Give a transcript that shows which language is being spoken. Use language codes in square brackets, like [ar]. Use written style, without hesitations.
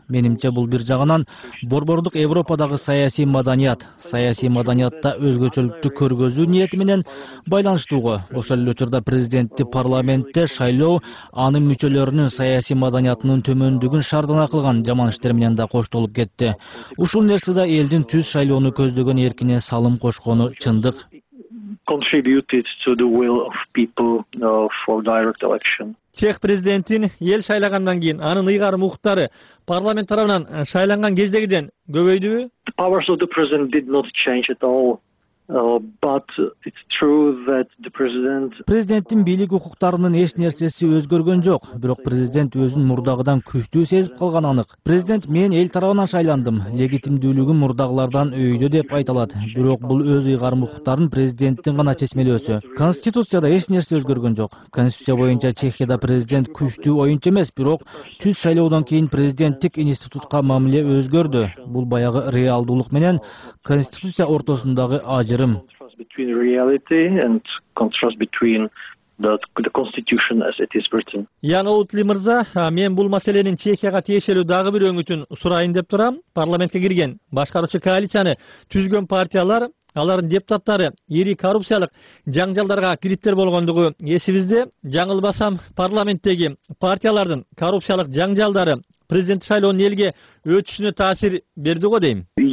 [ky] Менимче бул бир жагынан борбордук Европадагы саясий маданият, саясий маданиятта өзгөчөлүктү көргөзүү ниети менен байланыштуугу. Ошол эле учурда президентти парламентте шайлоо анын мүчөлөрүнүн саясий маданиятынын төмөндүгүн шаардана кылган жаман иштер менен да коштолуп кетти. Ушул нерсе да элдин түз шайлоону көздөгөн эркине салым кошкону чындык. [en] Contributed to the will of people for direct election. [ky] Чех президентин эл шайлагандан кийин анын ыйгарым укуктары парламент тарабынан шайланган кездегиден көбөйдүбү? [en] The powers of the president did not change at all. But it's true that the president... [ky] Президенттин бийлик укуктарынын эч нерсеси өзгөргөн жок, бирок президент өзүн мурдагыдан күчтүү сезип калган анык. Президент мен эл тарабынан шайландым, легитимдүүлүгүм мурдагылардан өйдө деп айталат. Бирок бул өз ыйгарым укуктарын президенттин гана чечмелөөсү. Конституцияда эч нерсе өзгөргөн жок. Конституция боюнча Чехияда президент күчтүү оюнчу эмес, бирок түз шайлоодон кийин президенттик институтка мамиле өзгөрдү. Бул баягы реалдуулук менен конституция ортосундагы ажырым. [en] Between reality and contrast between the constitution as it is written. [ky] Ян Оутли мырза, мен бул маселенин Чехияга тиешелүү дагы бир өңүтүн сурайын деп турам. Парламентке кирген башкаруучу коалицияны түзгөн партиялар, алардын депутаттары ири коррупциялык жаңжалдарга кириптер болгондугу эсибизде. Жаңылбасам, парламенттеги партиялардын коррупциялык жаңжалдары президент шайлоонун элге өтүшүнө таасир берди го дейм.